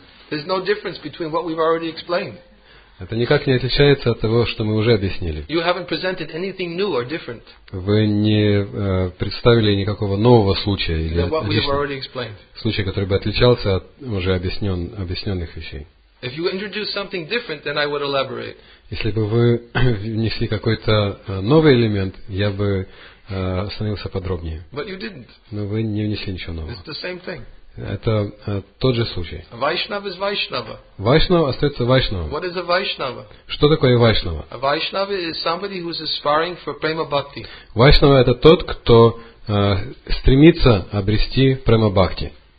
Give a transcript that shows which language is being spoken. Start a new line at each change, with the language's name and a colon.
English: There's no difference between what we've already explained.
Russian: Это никак не отличается от того, что мы уже объяснили.
English: You haven't presented anything new or different.
Russian: Вы не представили никакого нового случая или случая, который бы отличался от уже объясненных вещей.
English: If you introduce something different, then I would elaborate.
Russian: Если бы вы внесли какой-то новый элемент, я бы остановился подробнее.
English: But you didn't.
Russian: Но вы не внесли ничего нового.
English: It's the same thing.
Russian: Это тот же случай. Вайшнава из Вайшнава. Вайшнава остается Вайшнава.
English: What is a Vaishnava?
Russian: Что такое Вайшнава?
English: A Vaishnava is somebody who is aspiring for prema bhakti.
Russian: Вайшнава это тот, кто стремится обрести према бхакти.